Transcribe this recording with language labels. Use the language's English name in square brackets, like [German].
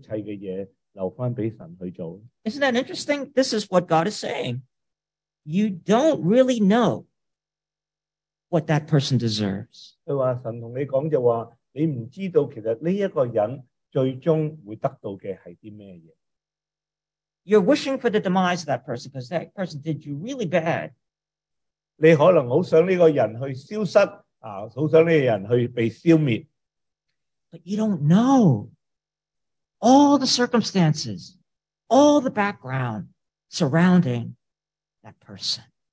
[Chinese] 他说,当神的愤怒要来的时候,这一切的事,一切的事,留给神去做。 [English] Isn't that interesting? This is what God is saying. You don't really know what that person deserves. [Chinese] 他说,神跟你说,你不知道其实这个人最终会得到的是什么。 [English] You're wishing for the demise of that person because that person did you really bad. [Chinese] 你可能很想这个人去消失, [English] but you don't know all the circumstances, all the background surrounding that person.